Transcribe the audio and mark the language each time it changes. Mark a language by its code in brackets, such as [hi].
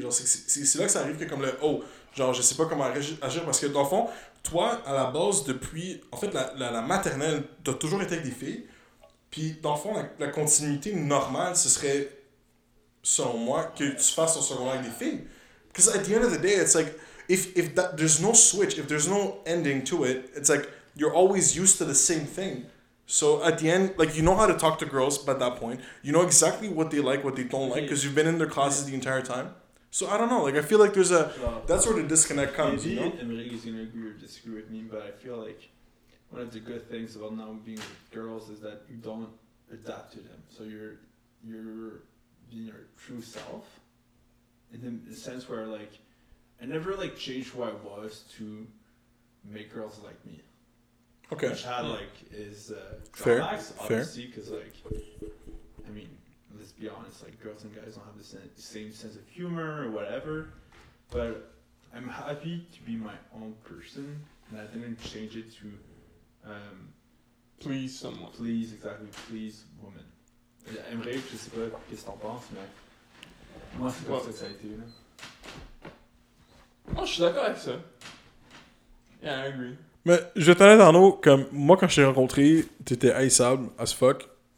[fr] Genre, c'est là que ça arrive que comme le « oh, genre je sais pas comment agir ». Parce que dans le fond, toi, à la base, depuis... En fait, la maternelle, t'as toujours été avec des filles. Puis dans le fond, la continuité normale, ce serait, selon moi, que tu fasses ton secondaire avec des filles. [en] Because at the end of the day, it's like, if that, there's no switch, if there's no ending to it, it's like, you're always used to the same thing. So at the end, like, you know how to talk to girls by that point. You know exactly what they like, what they don't like, because you've been in their classes the entire time. So I don't know, like, I feel like there's a, that's where the disconnect comes, maybe, you know? Maybe Emily is going to agree or disagree with me, but I feel like one of the good things about now being with girls is that you don't adapt to them. So you're being your true self, in the sense where, like, I never, like, changed who I was to make girls like me. Okay. Which had, like, is drawbacks, obviously, because, like, I mean, let's be honest, like, girls and guys don't have the same sense of humor or whatever, but I'm happy to be my own person, and I didn't change it to please someone. Please woman. [fr] Aimerait, je sais pas qu'est-ce que t'en penses, mais moi, c'est comme ça que ça a été, là. Moi, je suis d'accord avec ça. [en] Yeah, I agree. [fr] Mais je vais t'en dire, Arnaud, comme moi quand je t'ai rencontré, t'étais haïssable [en] as fuck.